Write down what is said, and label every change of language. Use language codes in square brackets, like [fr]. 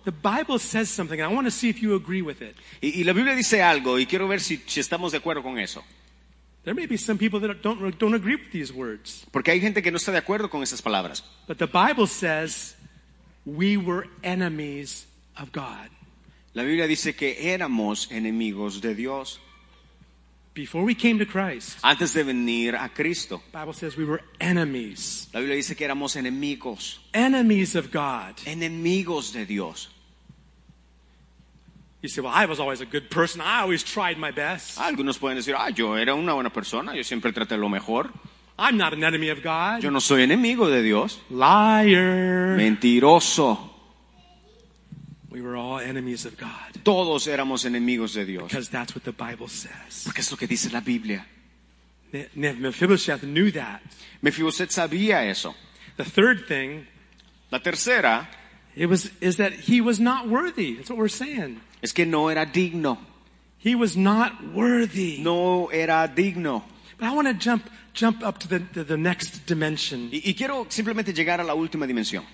[en] The Bible says something, and I want to see if you agree with it. [es] Y la Biblia dice algo, y quiero ver si estamos de acuerdo con eso. [en] There may be some people that don't agree with these words. [es] Porque hay gente que no está de acuerdo con esas palabras. [en] But the Bible says, we were enemies of God. [es] La Biblia dice que éramos enemigos de Dios. [en] Before we came to Christ, [es] antes de venir a Cristo, [en] the Bible says we were enemies. [es] La Biblia dice que éramos enemigos. [en] Enemies of God. [es] Enemigos de Dios. [en] You say, well, I was always a good person. I always tried my best. [es] Algunos pueden decir, ah, yo era una buena persona. Yo siempre traté lo mejor. [en] I'm not an enemy of God. [es] Yo no soy enemigo de Dios. [en] Liar. [es] Mentiroso. [en] We were all enemies of God. [es] Todos éramos enemigos de Dios. [en] Because that's what the Bible says. [es] Porque es lo que dice la Biblia. [en] Mephibosheth knew that. [es] Mephibosheth sabía eso. [en] The third thing. [es] La tercera. [en] Is that he was not worthy. That's what we're saying. [es] Es que no era digno. [en] He was not worthy. [es] No era digno. [en] But I want to jump up to the next dimension. [es] Y quiero simplemente llegar a la última dimensión.